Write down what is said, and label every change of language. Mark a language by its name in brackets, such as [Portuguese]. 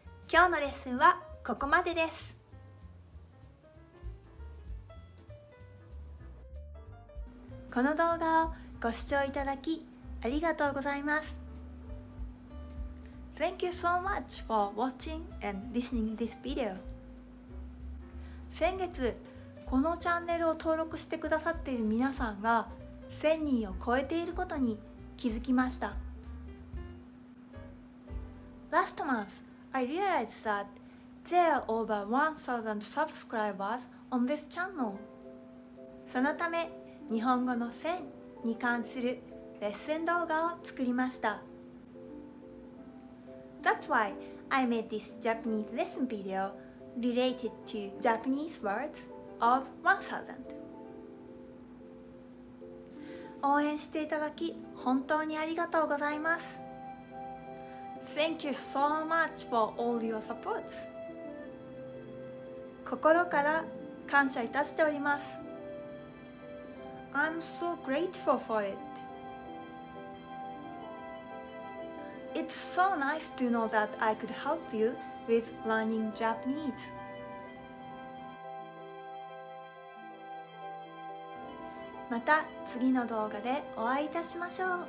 [Japanese] 今日のレッスンはここまでです。この動画をご視聴いただきありがとうございます。 [English] Thank you so much for watching and listening this video. [Japanese] 先月このチャンネルを登録してくださっている皆さんが1000人を超えていることに気づきました。 [English] Last month, I realized that there are over 1000 subscribers on this channel. [Japanese] そのため日本語の1000 に関するレッスン動画を作りました。 [English] That's why I made this Japanese lesson video related to Japanese words of 1000. [Japanese] 応援していただき本当にありがとうございます。 [English] Thank you so much for all your support. [Japanese] 心から感謝いたしております。 [English] I'm so grateful for it. It's so nice to know that I could help you with learning Japanese. [Japanese] また次の動画でお会いいたしましょう。